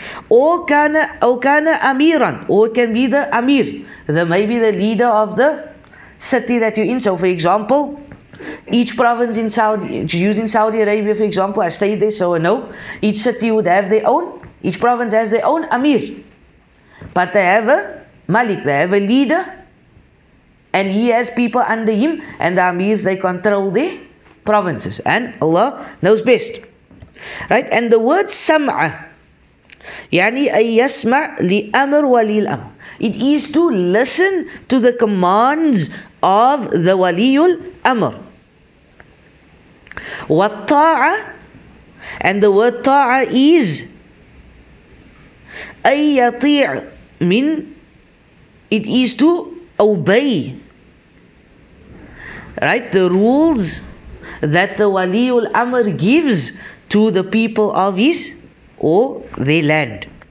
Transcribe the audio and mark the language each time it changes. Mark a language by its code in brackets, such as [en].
[en] Or kana amiran, or can be the amir, the maybe the leader of the city that you're in. So for example, each province in Saudi, using Saudi Arabia for example, I stayed there, so I know each city would have their own, each province has their own amir, but they have a malik, they have a leader, and he has people under him, and the amirs, they control the provinces, and Allah knows best, right? And the word [ar] sam'a, يعني أن يسمع لأمر ولي الأمر. [en] It is to listen to the commands of the waliul amr. والطاعة, and the word طاعة is [ar] أن يطيع, [en] من it is to obey, right, the rules that the waliul amr gives to the people of his or their land.